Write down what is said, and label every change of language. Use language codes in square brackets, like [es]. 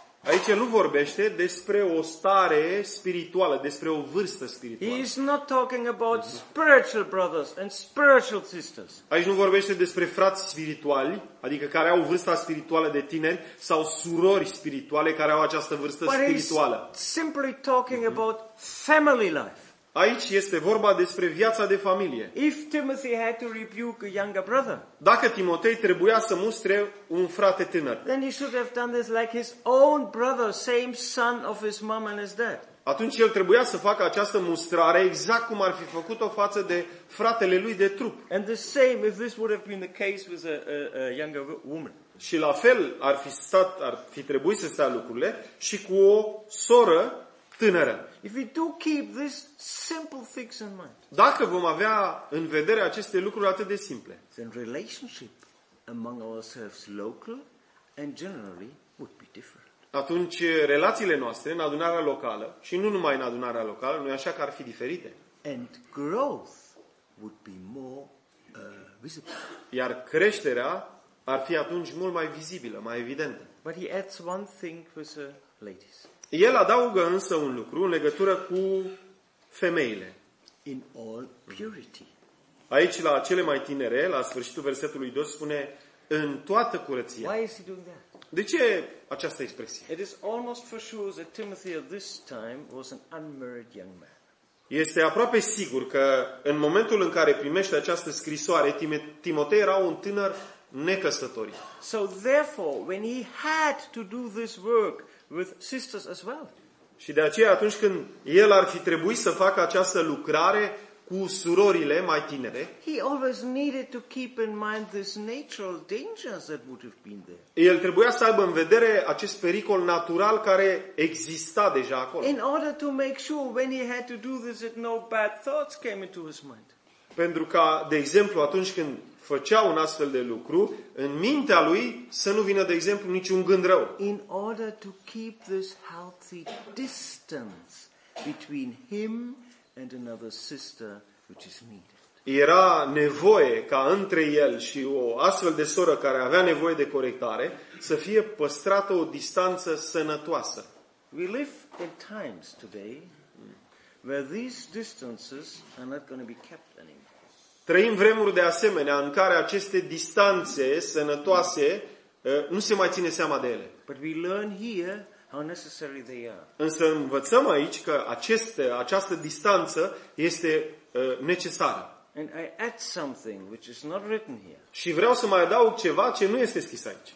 [ro] Aici nu vorbește despre o stare spirituală, despre o vârstă spirituală. [en] He is not talking about spiritual brothers and spiritual sisters. [ro] Aici nu vorbește despre frați spirituali, adică care au vârsta spirituală de tineri, sau surori spirituale care au această vârstă spirituală. [en] But he's simply talking about family life. [ro] Aici este vorba despre viața de familie. [en] If Timothy had to rebuke a younger brother, [ro] dacă Timotei trebuia să mustre un frate tânăr, [en] then he should have done this like his own brother, same son of his mom and his dad. [ro] Atunci el trebuia să facă această mustrare exact cum ar fi făcut-o față de fratele lui de trup. [en] And the same if this would have been the case with a younger woman. [ro] Și la fel ar fi trebuit să stea lucrurile și cu o soră tânără. [en] If we do keep this simple things in mind. [ro] Dacă vom avea în vedere aceste lucruri atât de simple. [en] Then relationship among ourselves local and generally would be different. [ro] Atunci relațiile noastre în adunarea locală și nu numai în adunarea locală, nu e așa că ar fi diferite. [en] And growth would be more visible. [ro] Iar creșterea ar fi atunci mult mai vizibilă, mai evidentă. [en] But he adds one thing with the ladies. [ro] El adaugă însă un lucru în legătură cu femeile. [en] In all purity. [ro] Aici, la cele mai tinere, la sfârșitul versetului 2, spune în toată curăția. [en] Why is he doing that? [ro] De ce această expresie? [en] It is almost for sure that Timothy at this time was an unmarried young man. [ro] Este aproape sigur că în momentul în care primește această scrisoare, Timotei era un tânăr necăsătorit. [en] So therefore, when he had to do this work with sisters as well. [ro] Și de aceea atunci când el ar fi trebuit să facă această lucrare cu surorile mai tinere. [en] He always needed to keep in mind this natural dangers that would have been there. [ro] El trebuia să aibă în vedere acest pericol natural care exista deja acolo. [en] In order to make sure when he had to do this that no bad thoughts came into his mind. [ro] Pentru ca, de exemplu, atunci când făcea un astfel de lucru, în mintea lui să nu vină, de exemplu, niciun gând rău. [en] In order to keep this healthy distance between him and another sister which is needed. [ro] Era nevoie ca între el și o astfel de soră care avea nevoie de corectare să fie păstrată o distanță sănătoasă. [en] We live in times today where these distances are not going to be kept anymore. [ro] Trăim vremuri de asemenea în care aceste distanțe sănătoase nu se mai ține seama de ele. [en] But we learn here how necessary they are. [ro] Însă învățăm aici că această distanță este necesară. [en] And I add something which is not written here. [ro] Și vreau să mai adaug ceva ce nu este scris aici.